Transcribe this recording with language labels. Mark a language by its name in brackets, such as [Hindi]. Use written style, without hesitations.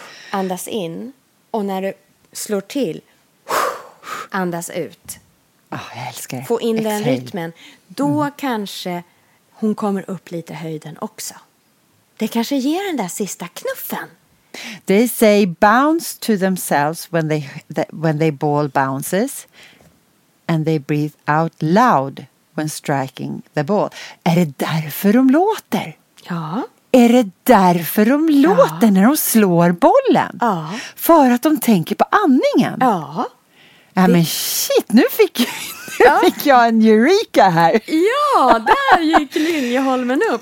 [Swedish] Andas in. Och när du slår till. Andas ut. Oh, jag älskar det. Få in den rytmen. Då kanske hon kommer upp lite höjden också. Det kanske ger den där sista knuffen. [English] They say bounce to themselves when they ball bounces, and they breathe out loud when striking the ball. [Swedish] Är det därför de låter? Ja. Är det därför de låter när de slår bollen? Ja. För att de tänker på andningen? Ja. Ja, men shit, nu fick jag en eureka här. Ja, där gick Liljeholmen upp.